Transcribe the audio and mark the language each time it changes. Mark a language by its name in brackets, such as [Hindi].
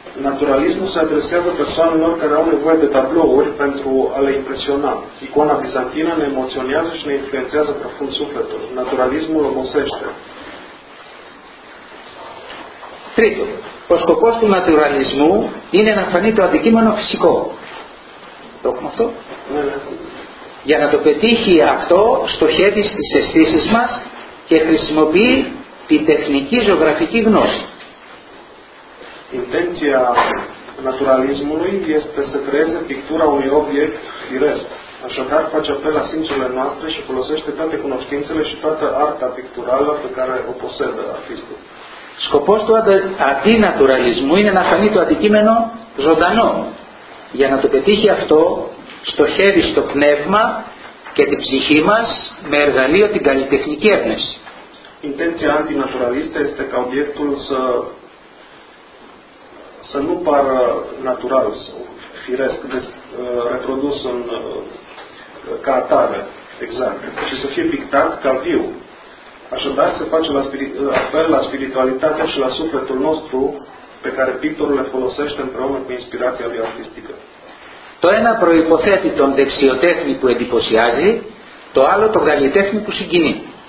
[Romanian] Naturalismul se adresează persoanelor care au nevoie de tablouri pentru a le impresiona. Icoana bizantină ne emoționează și ne influențează profund sufletul. Naturalismul obosește. [Greek] Τρίτο, ο σκοπός του naturalismul είναι να φανεί το αντικείμενο φυσικό. Το έχουμε αυτό? Για να το πετύχει αυτό, στοχεύει στις αισθήσεις μας και χρησιμοποιεί την τεχνική ζωγραφική γνώση. [Romanian] Intenția naturalismului este să creeze pictura unui obiect firesc. Așadar face apel la simțurile noastre și folosește toate cunoștințele și toată arta picturală pe care o posedă artistul. [Greek] Scopul του αντιναturalismul είναι να φανεί το αντικείμενο ζωντανό. Για να το πετύχει αυτό, στοχεύει στο πνεύμα και την ψυχή μας με εργαλείο την καλλιτεχνική έμπνευση. [Romanian] Intenția antinaturalistă este ca obiectul să nu pară natural, firesc, reprodus în ca atare, exact, și să fie pictat ca viu. Așadar se face apel la spiritualitatea și la sufletul nostru pe care pictorul le folosește împreună cu inspirația lui artistică. [Greek] Το ένα προϋποθέτει τον δεξιοτέχνη που εντυπωσιάζει, το άλλο τον καλλιτέχνη που συγκινεί.